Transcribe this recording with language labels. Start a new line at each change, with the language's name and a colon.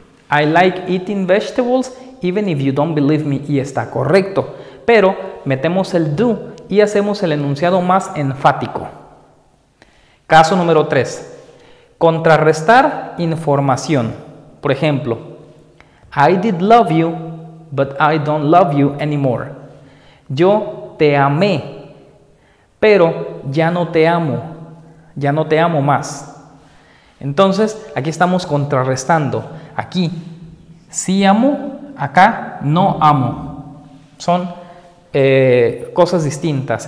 English: I like eating vegetables even if you don't believe me.
Spanish: Y está correcto. Pero metemos el do y hacemos el enunciado más enfático. Caso número 3. Contrarrestar información. Por ejemplo,
English: I did love you, but I don't love you anymore.
Spanish: Yo te amé, pero ya no te amo. Ya no te amo más. Entonces, aquí estamos contrarrestando. Aquí, sí amo, acá no amo. Son cosas distintas.